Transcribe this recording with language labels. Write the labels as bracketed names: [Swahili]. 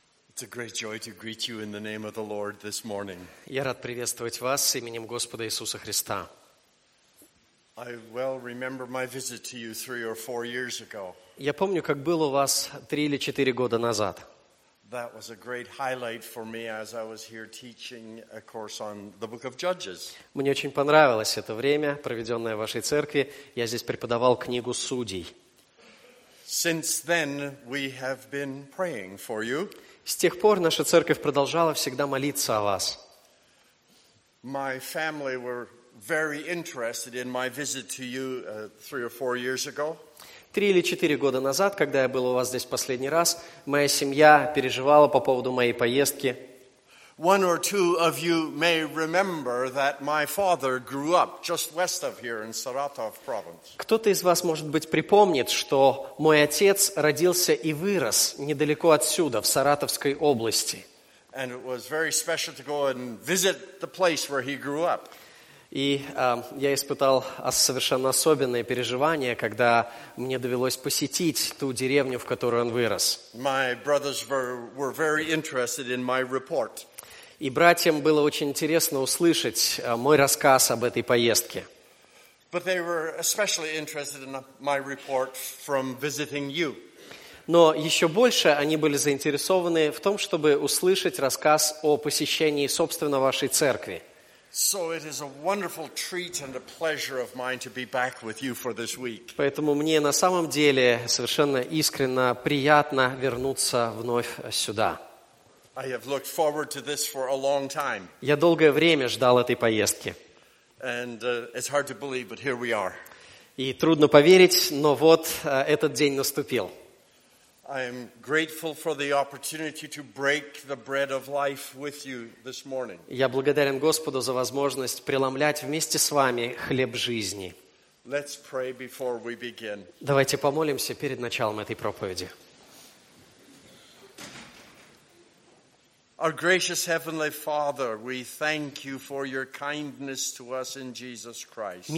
[English] It's a great joy to greet you in the name of the Lord this morning. [Russian] Я рад приветствовать вас именем Господа Иисуса Христа. [English] I well remember my visit to you 3 or 4 years ago. [Russian] Я помню, как было у вас 3 или 4 года назад. [English] That was a great highlight for me as I was here teaching a course on the book of Judges. [Russian] Мне очень понравилось это время, проведенное в вашей церкви. Я здесь преподавал книгу Судей. [English] Since then we have been praying for you. [Russian] С тех пор наша церковь продолжала всегда молиться о вас. [English] My family were very interested in my visit to you 3 or 4 years ago. [Russian] 3 или 4 года назад, когда я был у вас здесь последний раз, моя семья переживала по поводу моей поездки. [English] One or two of you may remember that my father grew up just west of here in Saratov province. [Russian] Кто-то из вас, может быть, припомнит, что мой отец родился и вырос недалеко отсюда, в Саратовской области. [English] And it was very special to go and visit the place where he grew up. [Russian] И я испытал совершенно особенное переживание, когда мне довелось посетить ту деревню, в которой он вырос. [English] My brothers were very interested in my report. [Russian] И братьям было очень интересно услышать мой рассказ об этой поездке. [English] But they were especially interested in my report from visiting you. [Russian] Но еще больше они были заинтересованы в том, чтобы услышать рассказ о посещении, собственно, вашей церкви. [English] So it is a wonderful treat and a pleasure of mine to be back with you for this week. [Russian] Поэтому мне на самом деле совершенно искренне приятно вернуться вновь сюда. [English] I have looked forward to this for a long time. [Russian] Я долгое время ждал этой поездки. [English] And it's hard to believe, but here we are. [Russian] И трудно поверить, но вот этот день наступил. [English] I am grateful for the opportunity to break the bread of life with you this morning. [Russian] Я благодарен Господу за возможность преломлять вместе с вами хлеб жизни. [English] Let's pray before we begin. [Russian] Давайте помолимся перед началом этой проповеди. [English] Our gracious heavenly Father, we thank you for your kindness to us in Jesus Christ.